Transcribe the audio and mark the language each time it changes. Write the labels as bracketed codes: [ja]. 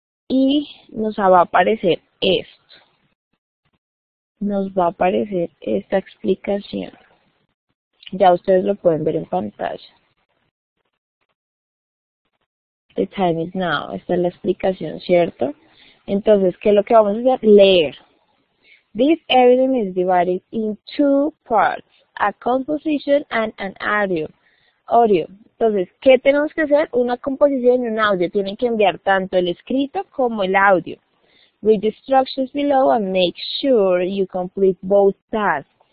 [es] Y nos va a aparecer esto. Nos va a aparecer esta explicación. Ya ustedes lo pueden ver en pantalla. [en] The time is now. [es] Esta es la explicación, ¿cierto? Entonces, ¿qué es lo que vamos a hacer? Leer. [en] This evidence is divided in two parts, a composition and an audio. [es] Entonces, ¿qué tenemos que hacer? Una composición y un audio. Tienen que enviar tanto el escrito como el audio. [en] Read the instructions below and make sure you complete both tasks.